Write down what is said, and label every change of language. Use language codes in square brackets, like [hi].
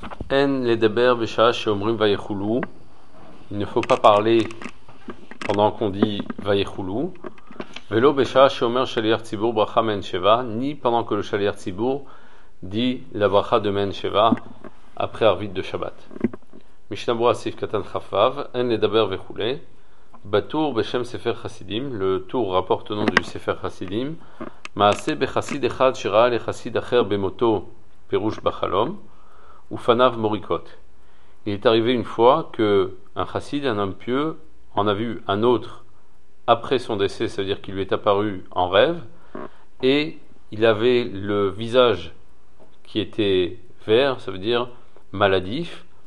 [he] אין לדבר בשעה שאומרים ויחולו. [fr] Il ne faut pas parler pendant qu'on dit ויחולו. [he] ולא בשעה שאומר שליח ציבור ברכה מעין שבע, [fr] ni pendant que le שליח ציבור dit la ברכה de מעין שבע après ערבית de שבת. [he] משנה ברורה סעיף קטן כ"ו. אין לדבר וכולי. בטור בשם ספר חסידים, [fr] le טור rapporte au nom du ספר חסידים. [he] מעשה בחסיד אחד שראה לחסיד אחר במותו פירוש בחלום ופניו מוריקות. [fr] Il est arrivé une fois que un chassid, un homme pieux, en a vu un autre après son décès, c'est-à-dire qu'il lui est apparu en rêve, et il avait le visage qui était vert, ça veut dire maladif.